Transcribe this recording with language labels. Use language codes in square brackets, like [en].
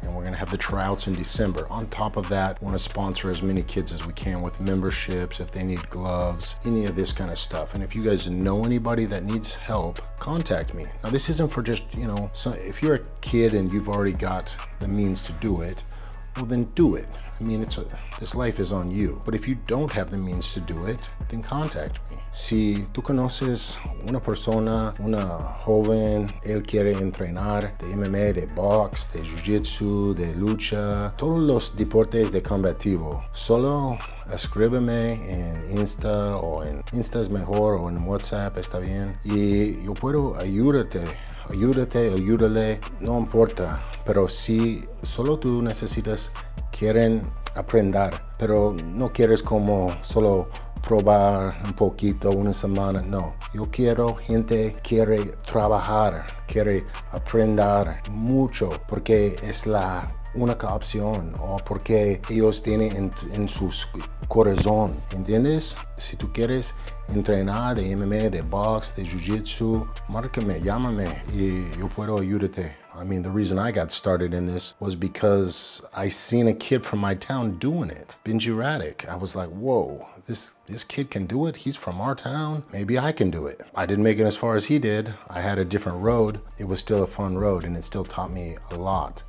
[en] And we're gonna have the tryouts in December. On top of that, we wanna sponsor as many kids as we can with memberships, if they need gloves, any of this kind of stuff. And if you guys know anybody that needs help, contact me. Now, this isn't for just, you know, so if you're a kid and you've already got the means to do it, well, then do it. I mean, this life is on you. But if you don't have the means to do it, then contact me. [es] Si tú conoces una persona, una joven, él quiere entrenar de MMA, de box, de jiu-jitsu, de lucha, todos los deportes de combativo, solo escríbeme en Insta, o en Insta es mejor, o en WhatsApp, está bien, y yo puedo ayúdale, no importa, pero si solo tú necesitas, quieren aprender, pero no quieres como solo probar un poquito, una semana, no. Yo quiero gente que quiere trabajar, quiere aprender mucho, porque es la única opción, o porque ellos tienen en su corazón, ¿entiendes? Si tú quieres entrenar de MMA, de box, de jiu-jitsu, márcame, llámame, y yo puedo ayudarte. [en] I mean, the reason I got started in this was because I seen a kid from my town doing it, Benji Raddick. I was like, whoa, this kid can do it? He's from our town? Maybe I can do it. I didn't make it as far as he did. I had a different road. It was still a fun road, and it still taught me a lot.